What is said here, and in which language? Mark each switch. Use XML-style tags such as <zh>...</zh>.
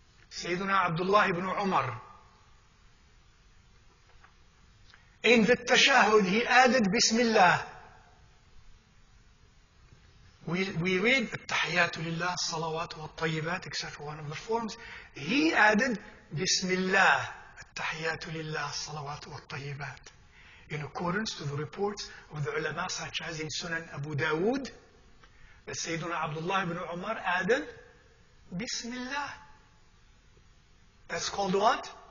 <en>Sayyidina Abdullah ibn Umar, in the tashahud, he added Bismillah. We read</en> <ar>التحيات لله الصلوات والطيبات</ar> <en>etc. One of the forms he added</en> <ar>بسم الله التحيات لله الصلوات والطيبات</ar> <en>in accordance to the reports of the ulama such as in Sunan Abu Dawood that Sayyidina Abdullah ibn Umar added</en> <ar>بسم الله.</ar> <en>That's called what?</en>